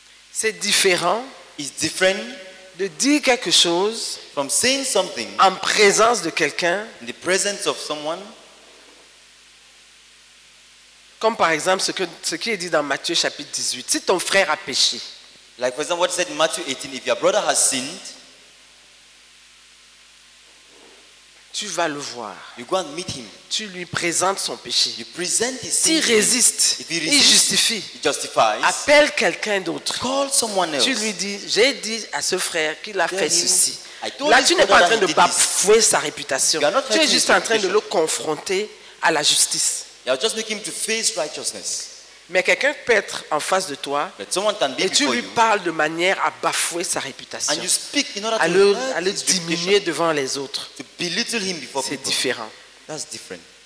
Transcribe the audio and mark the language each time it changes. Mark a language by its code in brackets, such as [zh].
[fr] C'est différent, [en] it's different, [fr] de dire quelque chose [en] from saying something [fr] en présence de quelqu'un, [en] in the presence of someone. [fr] Comme par exemple ce qui est dit dans Matthieu chapitre 18. Si ton frère a péché, [en] like for example what is said in Matthew 18, if your brother has sinned, [fr] tu vas le voir. [en] You go and meet him. [fr] Tu lui présentes son péché. [en] You present his sin. [fr] S'il résiste, [en] if he resists, [fr] il justifie. [en] He justifies. [fr] Appelle quelqu'un d'autre. [en] Call someone else. [fr] Tu lui dis, j'ai dit à ce frère qu'il a fait ceci. [en] I told [fr] Là, tu n'es pas en train de bafouer sa réputation. [en] You are not [fr] tu es juste en train [en] reputation. [fr] De le confronter à la justice. [en] You are just making him to face righteousness. [fr] Mais quelqu'un peut être en face de toi [en] someone can be [fr] et tu lui parles de manière à bafouer sa réputation, [en] and you speak in order [fr] à le diminuer devant les autres. [en] To belittle him before [fr] c'est [en] people. [fr] Différent. [en] That's different.